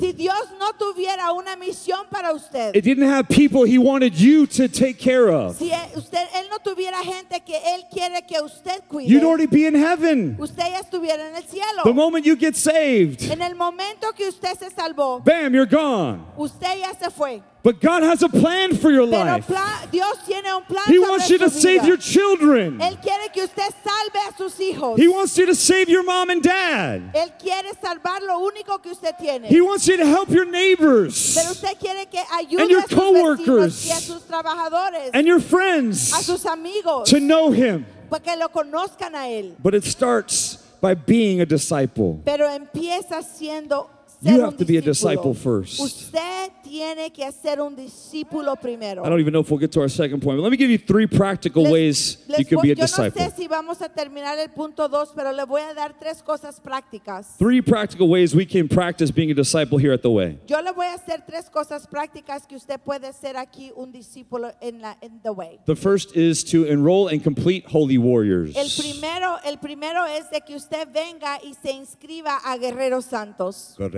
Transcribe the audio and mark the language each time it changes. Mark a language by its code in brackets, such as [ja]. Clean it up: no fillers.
[es] si Dios no tuviera una misión para usted, [en] it didn't have people he wanted you to take care of, [es] si usted, él no tuviera gente que él quiere que usted cuide, [en] you'd already be in heaven. [es] Usted ya estuviera en el cielo. [en] The moment you get saved, [es] en el momento que usted se salvó, [en] bam, you're gone. [es] Usted ya se fue. [en] But God has a plan for your life. [es] Dios tiene un plan. [en] He wants you to save your children. [es] Él quiere que usted salve a sus hijos. [en] He wants you to save your mom and dad. [es] Él quiere salvar lo único que usted tiene. [en] He wants you to help your neighbors. [es] Pero usted quiere que ayude [en] and your coworkers [es] a sus trabajadores [en] and your friends [es] a sus amigos [en] to know him. [es] Porque lo conozcan a él. [en] But it starts by being a disciple. [es] Pero empieza siendo [en] you have to be a disciple first. [es] Usted tiene que ser un discípulo primero. [en] I don't even know if we'll get to our second point, but let me give you three practical ways you can be a disciple. [es] Yo no sé si vamos a terminar el punto dos, pero le voy a dar tres cosas prácticas. [en] Three practical ways we can practice being a disciple here at the Way. [es] Yo le voy a hacer tres cosas prácticas que usted puede ser aquí un discípulo en the Way. [en] The first is to enroll and complete Holy Warriors. [es] El primero es de que usted venga y se inscriba a Guerreros Santos.